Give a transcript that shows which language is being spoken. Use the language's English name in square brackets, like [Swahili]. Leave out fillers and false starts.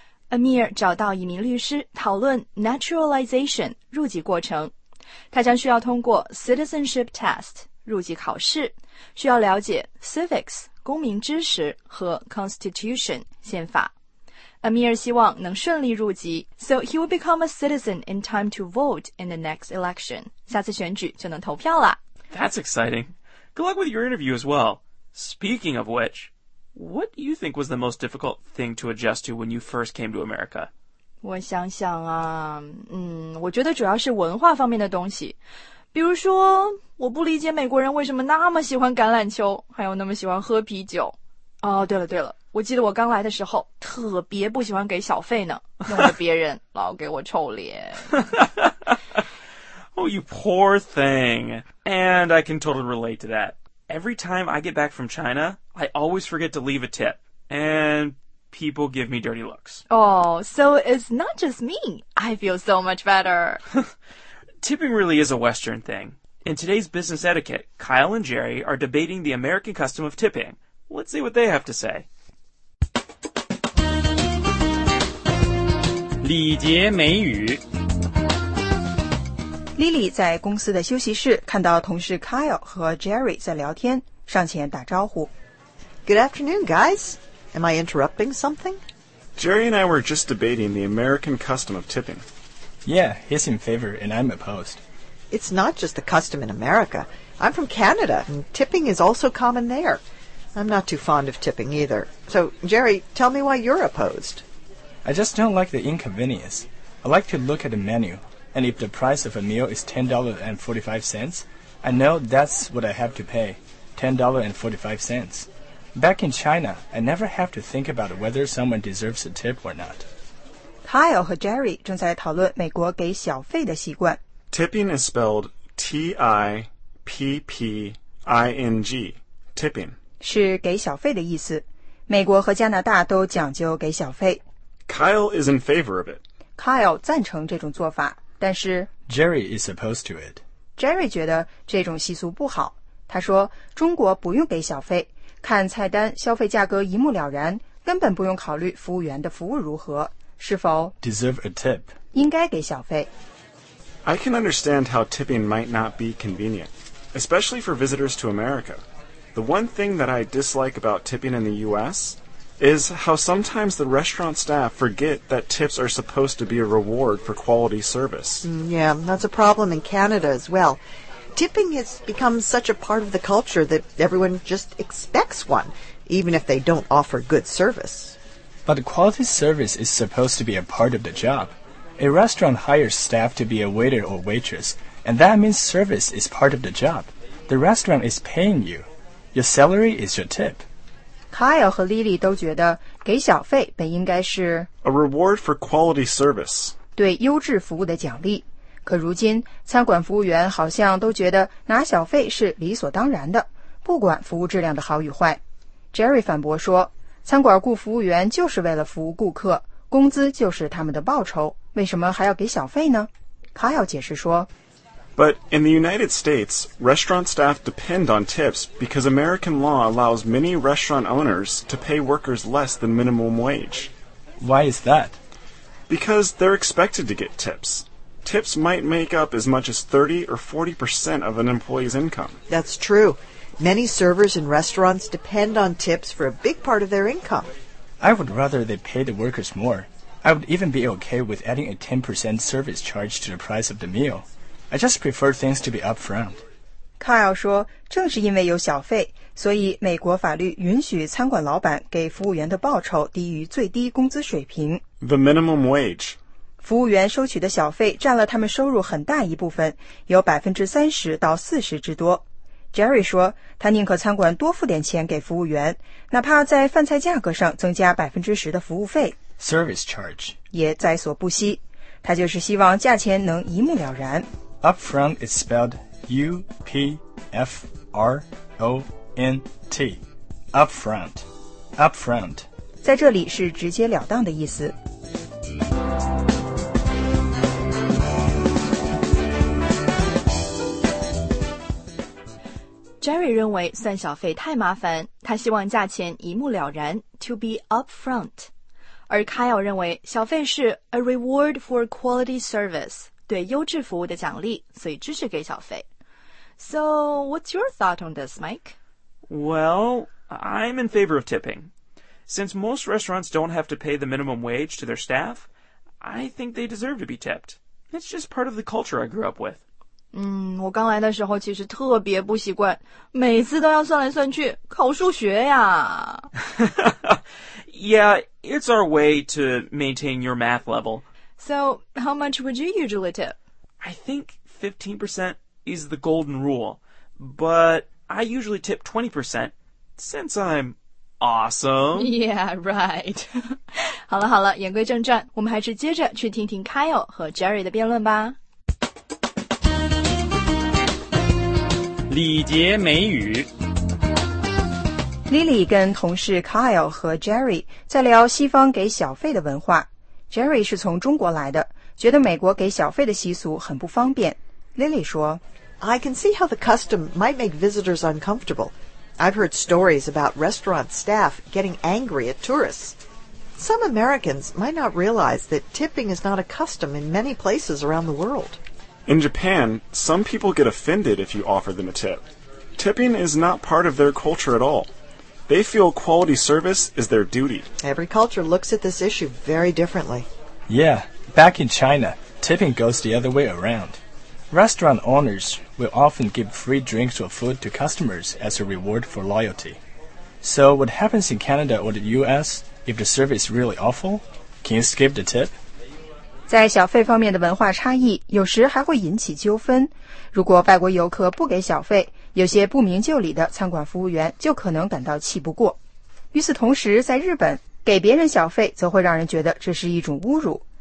[Chinese] Amir 找到一名律师讨论 naturalization 入籍过程，他将需要通过 citizenship test。入籍考试，需要了解 civics 公民知识和 constitution 宪法。 [English] Amir [Chinese] 希望能顺利入籍 [English] ，so he will become a citizen in time to vote in the next election. [Chinese] 下次选举就能投票啦。 [English] That's exciting. Good luck with your interview as well. Speaking of which, what do you think was the most difficult thing to adjust to when you first came to America? [Chinese] 我想想啊，我觉得主要是文化方面的东西。比如说，我不理解美国人为什么那么喜欢橄榄球，还有那么喜欢喝啤酒。哦，对了对了，我记得我刚来的时候特别不喜欢给小费呢，弄得别人老给我臭脸。 [English] Oh, you poor thing. And I can totally relate to that. Every time I get back from China, I always forget to leave a tip. And people give me dirty looks. Oh, so it's not just me. I feel so much better. Tipping really is a Western thing. In today's business etiquette, Kyle and Jerry are debating the American custom of tipping. Let's see what they have to say. [Chinese] 礼节美语。 Lily 在公司的休息室看到同事 Kyle 和 Jerry 在聊天，上前打招呼。 [English] Good afternoon, guys. Am I interrupting something? Jerry and I were just debating the American custom of tipping. Yeah, he's in favor and I'm opposed. It's not just the custom in America. I'm from Canada and tipping is also common there. I'm not too fond of tipping either. So, Jerry, tell me why you're opposed. I just don't like the inconvenience. I like to look at the menu. And if the price of a meal is $10.45, I know that's what I have to pay, $10.45. Back in China, I never have to think about whether someone deserves a tip or not. [Chinese] Kyle 和 Jerry 正在讨论美国给小费的习惯。 [English] Tipping is spelled T-I-P-P-I-N-G, tipping. [Chinese] 是给小费的意思。美国和加拿大都讲究给小费。 [English] Kyle is in favor of it. [Chinese] Kyle 赞成这种做法。但是 [English] Jerry is opposed to it. [Chinese] Jerry 觉得这种习俗不好。他说中国不用给小费，看菜单消费价格一目了然，根本不用考虑服务员的服务如何，是否 [English] deserve a tip， [Chinese] 应该给小费。 [English] I can understand how tipping might not be convenient, especially for visitors to America. The one thing that I dislike about tipping in the US is how sometimes the restaurant staff forget that tips are supposed to be a reward for quality service. Yeah, that's a problem in Canada as well. Tipping has become such a part of the culture that everyone just expects one, even if they don't offer good service. But quality service is supposed to be a part of the job. A restaurant hires staff to be a waiter or waitress, and that means service is part of the job. The restaurant is paying you. Your salary is your tip. [Chinese] Kyle 和 Lily 都觉得给小费本应该是 [English] a reward for quality service， [Chinese] 对优质服务的奖励。可如今餐馆服务员好像都觉得拿小费是理所当然的，不管服务质量的好与坏。 Jerry 反驳说，餐馆雇服务员就是为了服务顾客，工资就是他们的报酬，为什么还要给小费呢？ Kyle 解释说， [English] But in the United States, restaurant staff depend on tips because American law allows many restaurant owners to pay workers less than minimum wage. Why is that? Because they're expected to get tips. Tips might make up as much as 30 or 40% of an employee's income. That's true. Many servers in restaurants depend on tips for a big part of their income. I would rather they pay the workers more. I would even be okay with adding a 10% service charge to the price of the meal. I just prefer things to be upfront. [Chinese] Kyle 说，正是因为有小费，所以美国法律允许餐馆老板给服务员的报酬低于最低工资水平。 [English] The minimum wage. [Chinese] 服务员收取的小费占了他们收入很大一部分，有30%到40%之多。 Jerry 说，他宁可餐馆多付点钱给服务员，哪怕在饭菜价格上增加10%的服务费。 [English] Service charge. [Chinese] 也在所不惜，他就是希望价钱能一目了然。 [English] Upfront is spelled U-P-F-R-O-N-T. Upfront. Upfront. [Chinese] 在这里是直接了当的意思。 Jerry 认为算小费太麻烦，他希望价钱一目了然 , [English] to be upfront. [Chinese] 而 Kyle 认为小费是 [English] a reward for quality service. [Chinese] 对优质服务的奖励，所以支持给小费。 [English] So, what's your thought on this, Mike? Well, I'm in favor of tipping. Since most restaurants don't have to pay the minimum wage to their staff, I think they deserve to be tipped. It's just part of the culture I grew up with. [Chinese] 我刚来的时候其实特别不习惯，每次都要算来算去，考数学呀。 [English] Yeah, it's our way to maintain your math level. So, how much would you usually tip? I think 15% is the golden rule, but I usually tip 20% since I'm awesome. Yeah, right. [Chinese] 好了好了，言归正传，我们还是接着去听听 Kyle 和 Jerry 的辩论吧。礼节美语。 Lily 跟同事 Kyle 和 Jerry 在聊西方给小费的文化。 Jerry 是从中国来的，觉得美国给小费的习俗很不方便。 Lily 说 [English] ，I can see how the custom might make visitors uncomfortable. I've heard stories about restaurant staff getting angry at tourists. Some Americans might not realize that tipping is not a custom in many places around the world. In Japan, some people get offended if you offer them a tip. Tipping is not part of their culture at all. They feel quality service is their duty. Every culture looks at this issue very differently. Yeah, back in China, tipping goes the other way around. Restaurant owners will often give free drinks or food to customers as a reward for loyalty. So what happens in Canada or the US if the service is really awful? Can you skip the tip? [Chinese] 在小费方面的文化差异有时还会引起纠纷。如果外国游客不给小费，有些不明就里的餐馆服务员就可能感到气不过。与此同时，在日本，给别人小费则会让人觉得这是一种侮辱。